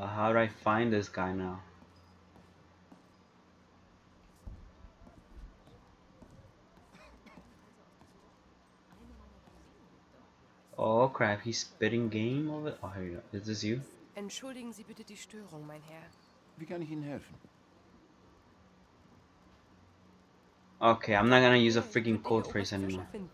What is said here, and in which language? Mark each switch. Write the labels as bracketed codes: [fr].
[en] How do I find this guy now? Oh crap, he's spitting game over. Oh, here you go. Is this you? [de] Entschuldigen Sie bitte die Störung, mein Herr. Wie kann ich Ihnen helfen? [en] Okay, I'm not gonna use a freaking code phrase anymore.